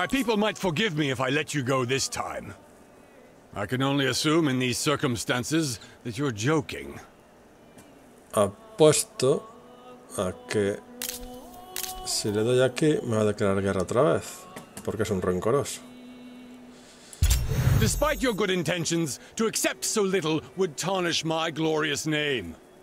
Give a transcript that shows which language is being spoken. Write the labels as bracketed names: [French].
[English] My people might forgive me if I let you go this time. I can only assume in these circumstances that you're joking. [Spanish] Apuesto a que si le doy aquí me va a declarar guerra otra vez, porque es un rencoroso. [English] Despite your good intentions, to accept so little would tarnish my glorious name.